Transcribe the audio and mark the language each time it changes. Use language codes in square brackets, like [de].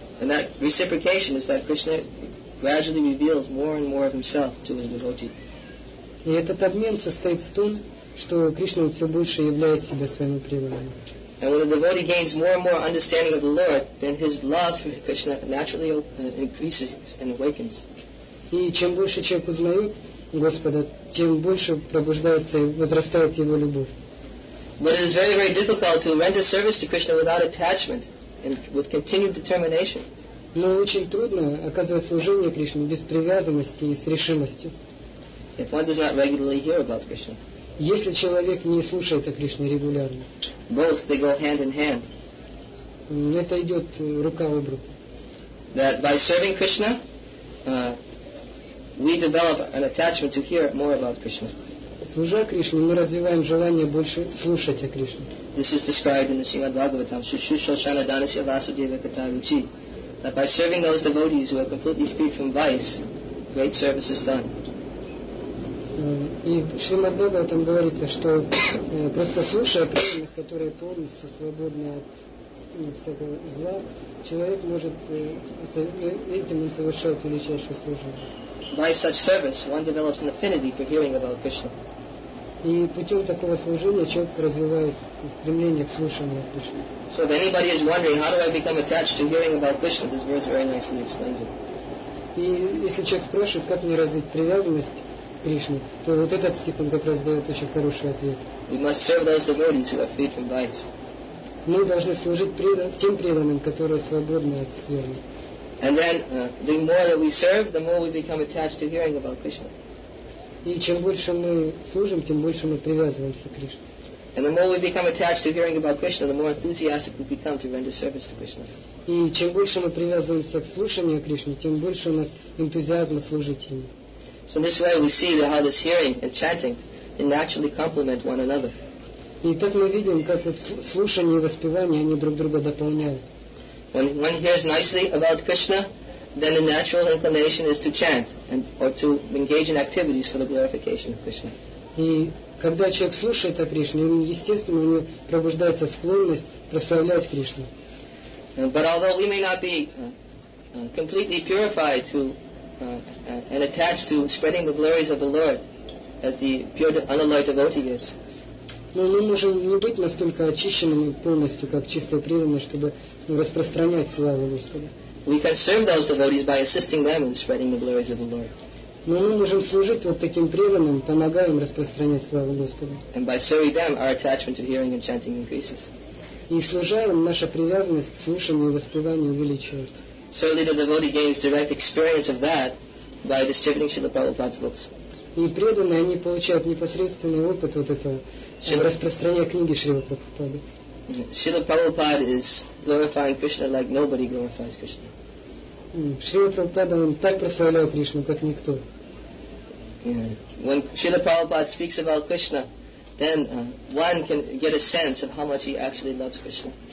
[en] And that reciprocation is that Krishna gradually reveals more and more of himself to his devotee. [ru] И этот обмен состоит в том, что Кришна все больше являет себя своим преданным. [en] And when the devotee gains more and more understanding of the Lord, then his love for Krishna naturally increases and awakens. [ru] И чем больше человек узнает Господа, тем больше пробуждается и возрастает его любовь. [en] But it is very, very difficult to render service to Krishna without attachment and with continued determination. [ru] Но очень трудно оказывать служение Кришне без привязанности и с решимостью. [en] If one does not regularly hear about Krishna. [ru] Если человек не слушает о Кришне регулярно. [en] Both, they go hand in hand. [ru] Это идет рука об руку. [en] That by serving Krishna, we develop an attachment to hear more about Krishna. [ru] Служа Кришне, мы развиваем желание больше слушать о Кришне. [en] This is described in the Srimad Bhagavatam, [sa] Shushu Shoshana Dhanasya Vasudeva Kata Ruchi. [en] That by serving those devotees who are completely freed from vice, great service is done. [ru] И в Шримад Бхагаватам говорится, что просто слушая преданных, которые полностью свободны от всякого зла, человек может этим он совершает величайшее служение. [en] By such service, one develops an affinity for hearing about Krishna. [ru] И путем такого служения человек развивает стремление к слушанию Кришны. [en] So if anybody is wondering, how do I become attached to hearing about Krishna, this verse very nicely explains it. [ru] И если человек спрашивает, как мне развить привязанность Кришне, то вот этот стих он как раз дает очень хороший ответ. [en] We must serve those devotees who are freed from vice. [ru] Мы должны служить тем преданным, которые свободны от скверны. [en] And then the more that we serve, the more we become attached to hearing about Krishna. [ru] И чем больше мы служим, тем больше мы привязываемся к Кришне. [en] And the more we become attached to hearing about Krishna, the more enthusiastic we become to render service to Krishna. [ru] И чем больше мы привязываемся к слушанию Кришны, тем больше у нас энтузиазма служить Ему. [en] So in this way we see that how this hearing and chanting naturally complement one another. [ru] И так мы видим, как вот слушание и воспевание, они друг друга дополняют. [en] When one hears nicely about Krishna, then the natural inclination is to chant and or to engage in activities for the glorification of Krishna. [ru] И когда человек слушает о Кришне, естественно, у него пробуждается склонность прославлять Кришну. [en] But although we may not be completely purified to and attached to spreading the glories of the Lord as the pure unalloyed devotee is. [ru] Но мы можем не быть настолько очищенными полностью, как чистые преданные, чтобы распространять славу Господа. [en] We can serve those devotees by assisting them in spreading the glories of the Lord. [ru] Но мы можем служить вот таким преданным, помогая им распространять славу Господа. [en] And by serving them, our attachment to hearing and chanting increases. [ru] И служа им, наша привязанность к слушанию и воспеванию увеличивается. [en] Certainly the devotee gains direct experience of that by distributing Srila Prabhupada's books. [ru] И преданные, они получают непосредственный опыт вот этого распространения книги Шрилы Прабхупады. [en] Srila Prabhupada is glorifying Krishna like nobody glorifies Krishna. [ru] Шрила Прабхупада, он так прославляет Кришну, как никто. [en] When Srila Prabhupada speaks about Krishna, then one can get a sense of how much he actually loves Krishna.